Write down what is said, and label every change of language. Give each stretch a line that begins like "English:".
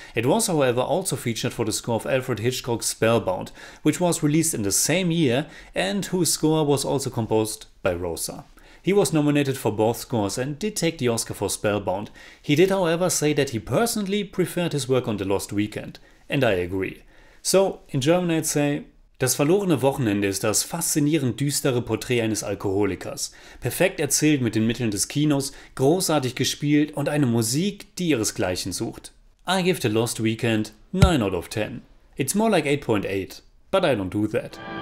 English: It was, however, also featured for the score of Alfred Hitchcock's Spellbound, which was released in the same year and whose score was also composed by Rosa. He was nominated for both scores and did take the Oscar for Spellbound. He did, however, say that he personally preferred his work on The Lost Weekend, and I agree. So, in German I'd say,
German: Das verlorene Wochenende ist das faszinierend düstere Porträt eines Alkoholikers. Perfekt erzählt mit den Mitteln des Kinos, großartig gespielt und eine Musik, die ihresgleichen sucht.
English: I give The Lost Weekend 9 out of 10. It's more like 8.8, but I don't do that.